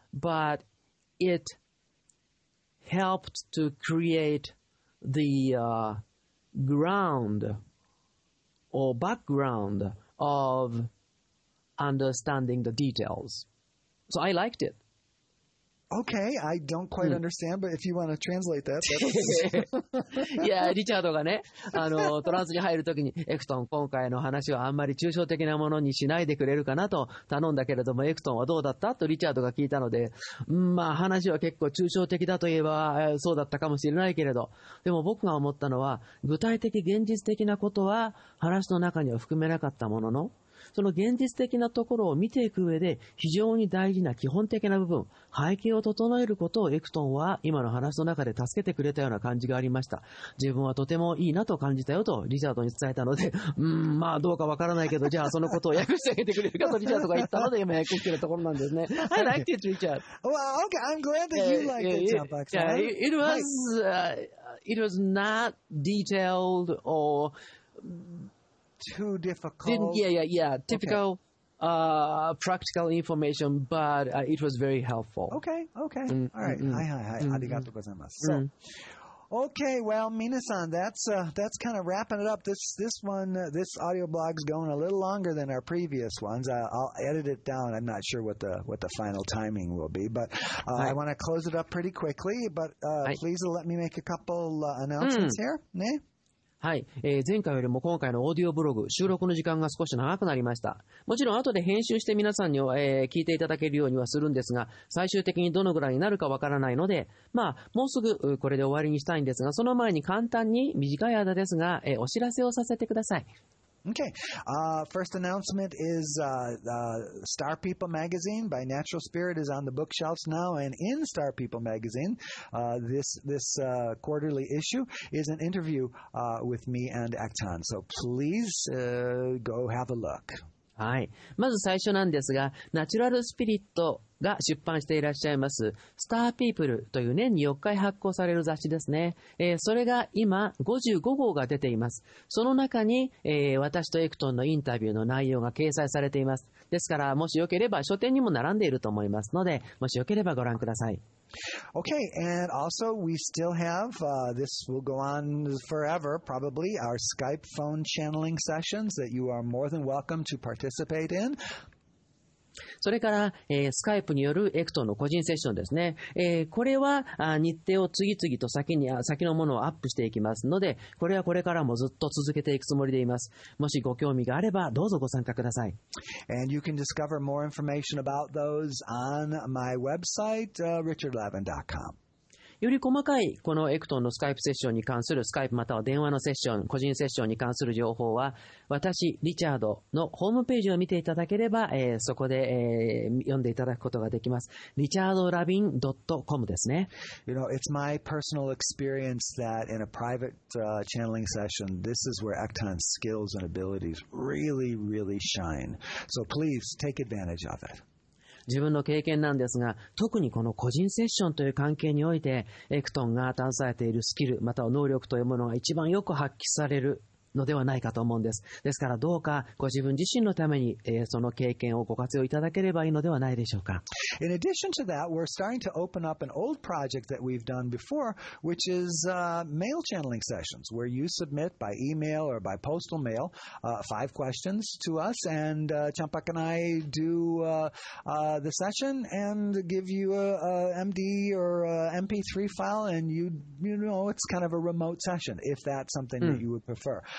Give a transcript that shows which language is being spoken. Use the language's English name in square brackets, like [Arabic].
[English] But it helped to create the ground or background of... understanding the details. So I liked it. Okay, I don't quite understand, but if you want to translate that, [Japanese] yeah, Richard がね、トランスに入るときに、エクトン、今回の話はあんまり抽象的なものにしないでくれるかなと頼んだけれども、エクトンはどうだったとリチャードが聞いたので、まあ話は結構抽象的だといえば、そうだったかもしれないけれど、でも僕が思ったのは、具体的現実的なことは話の中には含めなかったものの、その現実的なところを見ていく上で非常に大事な基本的な部分、背景を整えることをエクトンは今の話の中で助けてくれたような感じがありました。自分はとてもいいなと感じたよとリチャードに伝えたので、まあどうかわからないけど、じゃあそのことを訳してあげてくれるかとリチャードが言ったので今訳しているところなんですね。 [English] I liked it, Richard. Well, okay, I'm glad that you liked it, Jumpbox. It was not detailed or too difficult. Typical、practical information, but、it was very helpful. Okay, okay.、Mm-hmm. All right. Hi, hi, hi. [Japanese] Arigatou gozaimasu. [English] So, okay, well, Mina-san, that's kind of wrapping it up. This audio blog's going a little longer than our previous ones. I'll edit it down. I'm not sure what the final timing will be, but、I want to close it up pretty quickly, but、please let me make a couple、announcements、here. Ne? [Japanese] はい、前回よりも今回のオーディオブログ収録の時間が少し長くなりました。もちろん後で編集して皆さんに、聞いていただけるようにはするんですが、最終的にどのぐらいになるかわからないので、まあもうすぐこれで終わりにしたいんですが、その前に簡単に短い間ですが、お知らせをさせてください。 [English] Okay. First announcement is Star People Magazine by Natural Spirit is on the bookshelves now. And in Star People Magazine, this quarterly issue is an interview with me and Acton. So please go have a look. [Japanese] はい。まず最初なんですが、ナチュラルスピリットが出版していらっしゃいます、スターピープルという年に4回発行される雑誌ですね。それが今55号が出ています。その中に、私とエクトンのインタビューの内容が掲載されています。ですから、もしよければ書店にも並んでいると思いますので、もしよければご覧ください。 [English] Okay, and also we still have, this will go on forever probably, our Skype phone channeling sessions that you are more than welcome to participate in. [Japanese] それから、スカイプによるエクトの個人セッションですね。これは日程を次々と先のものをアップしていきますので、これはこれからもずっと続けていくつもりでいます。もしご興味があればどうぞご参加ください。 [English] And you can discover more information about those on my website, richardlavin.com. [Japanese] より細かいこのエクトンのスカイプセッションに関するスカイプまたは電話のセッション個人セッションに関する情報は私リチャードのホームページを見ていただければ、そこで、読んでいただくことができます。リチャードラビン .com ですね。 [English] You know, it's my personal experience that in a private, channeling session, this is where Acton's skills and abilities really, really shine. So please take advantage of it. [Japanese] 自分の経験なんですが、特にこの個人セッションという関係において、エクトンが携えているスキル、または能力というものが一番よく発揮されるのではないかと思うんです。ですからどうかご自分自身のために、その経験をご活用いただければいいのではないでしょうか。 [English] In addition to that, we're starting to open up an old project that we've done before, which is, mail channeling sessions, where you submit by email or by postal mail, five questions to us, and, Champak and I do, the session and give you a MD or a MP3 file, and you know, it's kind of a remote session, if that's something that you would prefer.